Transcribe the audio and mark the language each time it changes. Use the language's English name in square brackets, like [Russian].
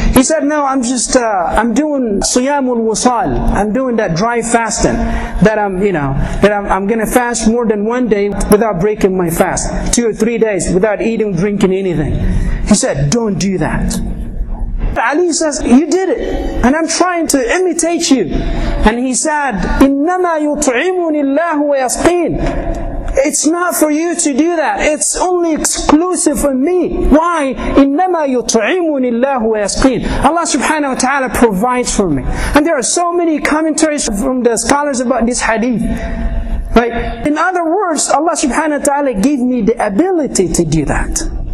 [English] He said, no, I'm doing Siyamul Wasal. I'm doing that dry fasting. That I'm going to fast more than 1 day without breaking my fast. 2 or 3 days without eating, drinking, anything. He said, don't do that. Ali says, you did it. And I'm trying to imitate you. And he said, [Arabic] إِنَّمَا يُطْعِمُنِ اللَّهُ وَيَسْقِينَ. [English] It's not for you to do that. It's only exclusive for me. Why? [Arabic] إِنَّمَا يُطْعِمُنِ اللَّهُ وَيَسْقِينَ. [English] Allah subhanahu wa ta'ala provides for me. And there are so many commentaries from the scholars about this hadith. Right? In other words, Allah subhanahu wa ta'ala gave me the ability to do that.